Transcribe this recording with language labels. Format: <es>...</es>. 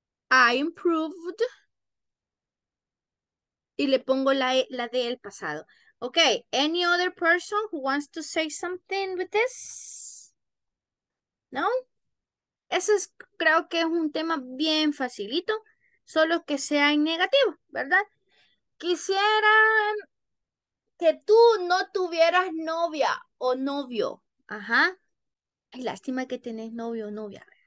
<en>I improved,</en> <es>y le pongo la de el pasado.</es> <en>Okay, any other person who wants to say something with this? No?</en> <es>Eso es, creo que es un tema bien facilito, solo que sea en negativo, ¿verdad? Quisiera que tú no tuvieras novia o novio. Ajá. Ay, lástima que tenés novio o novia.</es>